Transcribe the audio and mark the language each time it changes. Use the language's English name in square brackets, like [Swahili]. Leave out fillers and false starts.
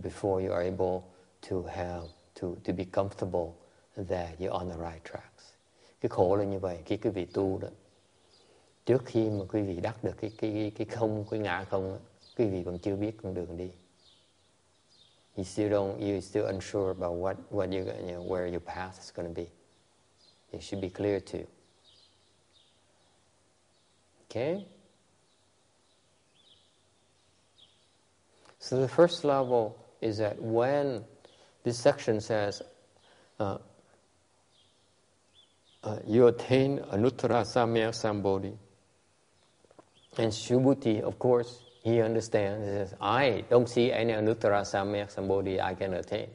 [English] Before you are able to have, to be comfortable that you're on the right track. [Vietnamese] Cái khổ là như vậy, khi quý vị tu đó, trước khi mà quý vị đắc được cái không, cái ngã không đó, quý vị vẫn chưa biết con đường đi. [English] You're still unsure about what you're, you know, where your path is going to be. It should be clear to you. Okay? So the first level is that when this section says you attain anuttara samya sambodhi and subhuti, of course, he understands, he says, I don't see any anuttara samya sambodhi I can attain.